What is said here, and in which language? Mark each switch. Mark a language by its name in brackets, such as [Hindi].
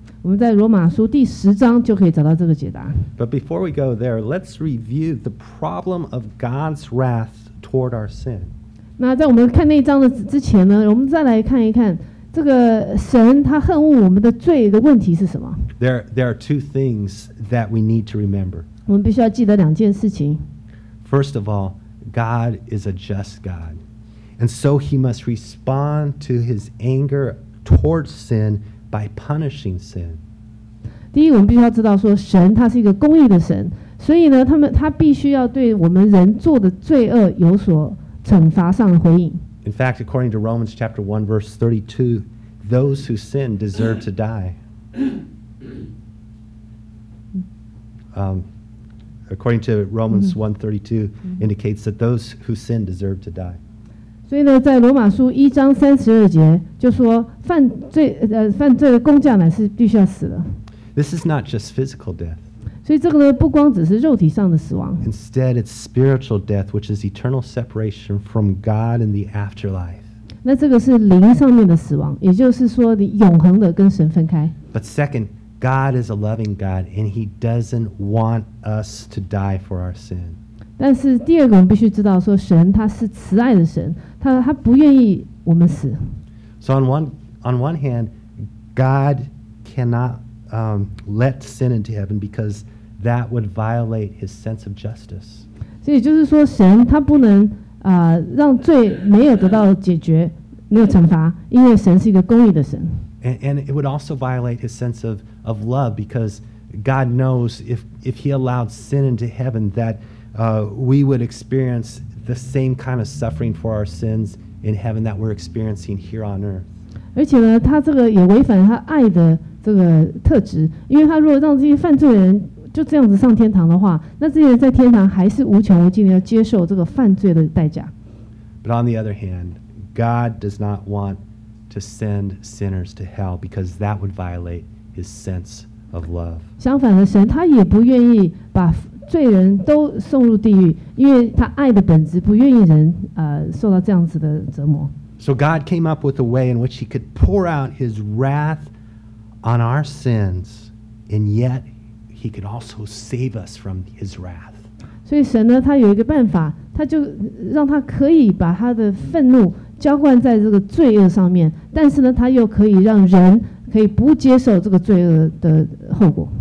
[Chinese] 我们在罗马书第十章就可以找到这个解答。 [English] But before we go there, let's review the problem of God's wrath toward our sin. [Chinese] 那在我们看那一章的之前呢，我们再来看一看这个神他恨恶我们的罪的问题是什么。 [English] There are two things that we need to remember. [Chinese] 我们必须要记得两件事情。 [English] First of all, God is a just God, and so He must respond to His anger towards sin. By punishing sin. [Chinese] 第一，我们必须要知道说，神他是一个公义的神，所以呢，他必须要对我们人做的罪恶有所惩罚上的回应。 [English] In fact, according to Romans chapter 1 verse 32, those who sin deserve to die. According to Romans 1:32, indicates that those who sin deserve to die. [Chinese] 所以呢，在罗马书一章三十二节就说，犯罪的工价乃是必须要死的。 [English] This is not just physical death. [Chinese] 所以这个呢，不光只是肉体上的死亡。 [English] Instead, it's spiritual death, which is eternal separation from God in the afterlife. [Chinese] 那这个是灵上面的死亡，也就是说，你永恒的跟神分开。 [English] But second. God is a loving God, and He doesn't want us to die for our sin. [Chinese] 但是第二个，我们必须知道，说神他是慈爱的神，他不愿意我们死。 [English] So on one hand, God cannot let sin into heaven because that would violate His sense of justice. [Chinese] 所以就是说，神他不能让罪没有得到解决，没有惩罚，因为神是一个公义的神。 [English] And it would also violate His sense of love because God knows if He allowed sin into heaven that we would experience the same kind of suffering for our sins in heaven that we're experiencing here on earth. [Chinese] 而且呢，他这个也违反他爱的这个特质，因为他如果让这些犯罪人就这样子上天堂的话，那这些人在天堂还是无穷无尽的要接受这个犯罪的代价。 [English] But on the other hand, God does not want to send sinners to hell because that would violate. His sense of love. [Chinese] 相反的，神他也不愿意把罪人都送入地狱，因为他爱的本质不愿意人受到这样子的折磨。 [English] So God came up with a way in which He could pour out His wrath on our sins, and yet He could also save us from His wrath. [Chinese] 所以神呢，他有一个办法，他就让他可以把他的愤怒浇灌在这个罪恶上面，但是呢，他又可以让人。可以不接受这个罪恶的后果。